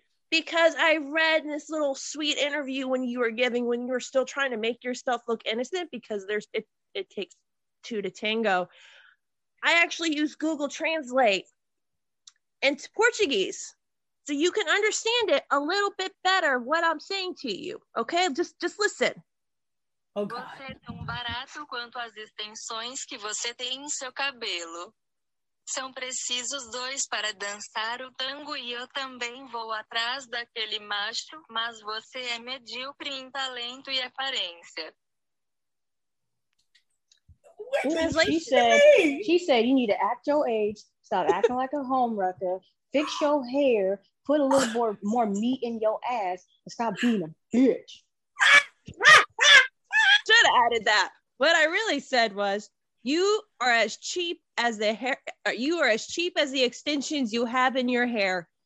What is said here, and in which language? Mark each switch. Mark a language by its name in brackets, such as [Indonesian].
[English] Because I read in this little sweet interview when you were giving, when you were still trying to make yourself look innocent, because it takes two to tango. I actually use Google Translate into Portuguese, so you can understand it a little bit better what I'm saying to you. Okay, just listen. Oh, God. [Portuguese] Você é tão barato quanto as extensões que você tem em seu cabelo. São precisos dois para dançar o tango e eu também vou atrás daquele macho, mas você é medíocre em talento e aparência. [English] She said, you need to act your age, stop acting like a homewrecker, fix your hair, put a little more meat in your ass, and stop being a bitch. Should have added that. What I really said was, you are as cheap as the extensions you have in your hair.